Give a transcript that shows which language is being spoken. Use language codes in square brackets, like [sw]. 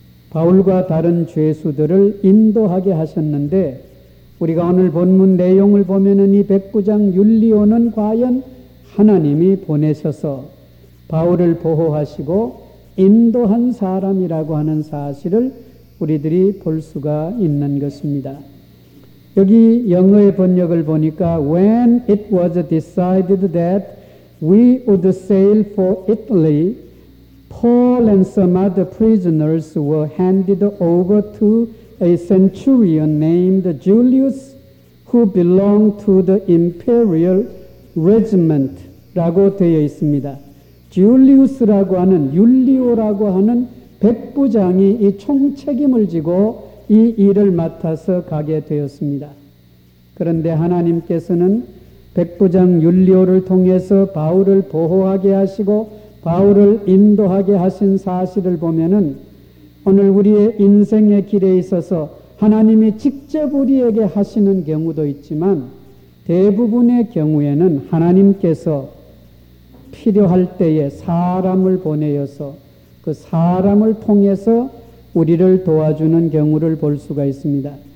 [ko] 바울과 다른 죄수들을 인도하게 하셨는데 우리가 오늘 본문 내용을 보면은 이 백부장 율리오는 과연 하나님이 보내셔서 바울을 보호하시고 인도한 사람이라고 하는 사실을 우리들이 볼 수가 있는 것입니다. 여기 영어의 번역을 보니까 [en] When it was decided that we would sail for Italy, Paul and some other prisoners were handed over to a centurion named Julius who belonged to the imperial regiment [ko] 라고 되어 있습니다. 줄리우스라고 하는 율리오라고 하는 백부장이 이 총책임을 지고 이 일을 맡아서 가게 되었습니다. 그런데 하나님께서는 백부장 율리오를 통해서 바울을 보호하게 하시고 바울을 인도하게 하신 사실을 보면은 오늘 우리의 인생의 길에 있어서 하나님이 직접 우리에게 하시는 경우도 있지만 대부분의 경우에는 하나님께서 필요할 때에 사람을 보내어서 그 사람을 통해서 우리를 도와주는 경우를 볼 수가 있습니다.